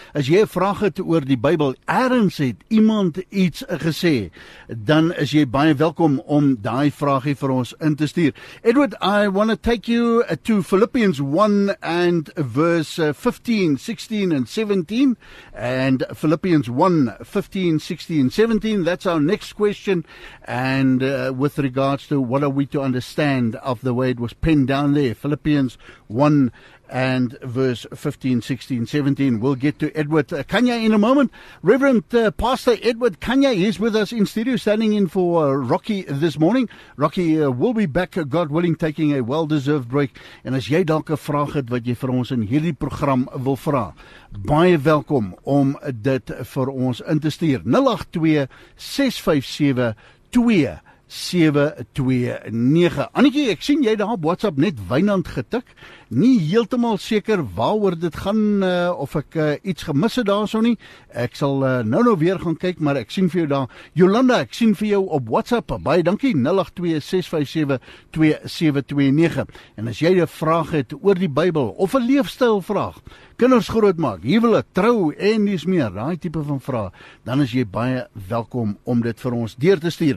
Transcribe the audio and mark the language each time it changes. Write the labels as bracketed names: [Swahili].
[Afrikaans] As jy vraag het oor die Bible, ergens het iemand iets gesê, dan is jy baie welkom om die vraagie vir ons in te stuur. [English] Edward, I want to take you to Philippians 1 and verse 15, 16 and 17. And Philippians 1, 15, 16, 17, that's our next question. And with regards to what are we to understand of the way it was penned down there, Philippians 1 and verse 15, 16, 17, we'll get to Edward Kanya in a moment. Reverend Pastor Edward Kanya is with us in studio, standing in for Rocky this morning. Rocky will be back, God willing, taking a well-deserved break. [Afrikaans] And as jy dalk 'n vraag het wat jy vir ons in hierdie program wil vra, baie welkom om dit vir ons in te stuur. 082-657-2 0891729. Annetjie, ek sien jy daar op WhatsApp net Wynand getik. Nie heeltemal seker waaroor dit gaan of ek iets gemis het daarso nie. Ek sal nou weer gaan kyk, maar ek sien vir jou daar. Jolanda, ek sien vir jou op WhatsApp. Baie dankie. 0826572729. En as jy 'n vraag het oor die Bybel of 'n leefstylvraag, kinders grootmaak, huwelik, trou en dis meer, daai tipe van vraag, dan is jy baie welkom om dit vir ons deur te stuur.